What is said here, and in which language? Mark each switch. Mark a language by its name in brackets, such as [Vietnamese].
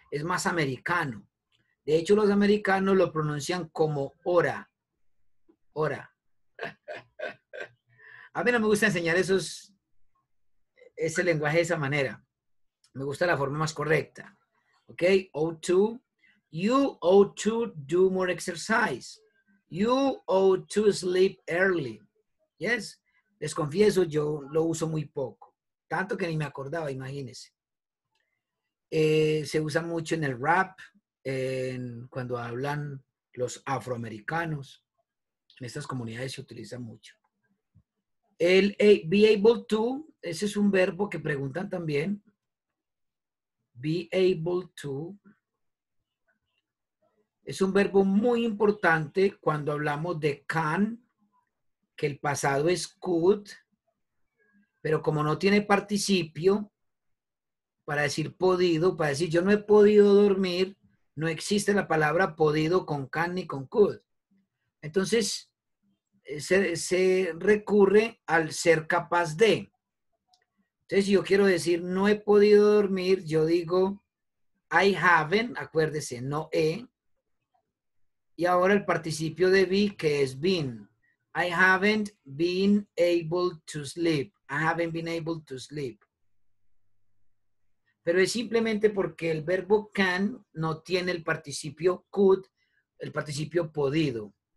[Spanish] Es más americano. De hecho, los americanos lo pronuncian como hora. Hora. A mí no me gusta enseñar ese lenguaje de esa manera. Me gusta la forma más correcta. ¿Ok? O2. [English] You ought to do more exercise. You ought to sleep early. ¿Yes? [Spanish] Les confieso, yo lo uso muy poco. Tanto que ni me acordaba, imagínense. Se usa mucho en el rap, cuando hablan los afroamericanos. En estas comunidades se utiliza mucho. El be able to, ese es un verbo que preguntan también. [English] Be able to. [Spanish] Es un verbo muy importante cuando hablamos de can, que el pasado es could. Pero como no tiene participio, para decir podido, para decir yo no he podido dormir, no existe la palabra podido con can ni con could. Entonces, se recurre al ser capaz de. Entonces, si yo quiero decir no he podido dormir, yo digo [English] I haven't, [Spanish] acuérdese, no he. Y ahora el participio de be, que es been. [English] I haven't been able to sleep. I haven't been able to sleep. [Spanish] Pero es simplemente porque el verbo can no tiene el participio could, el participio podido.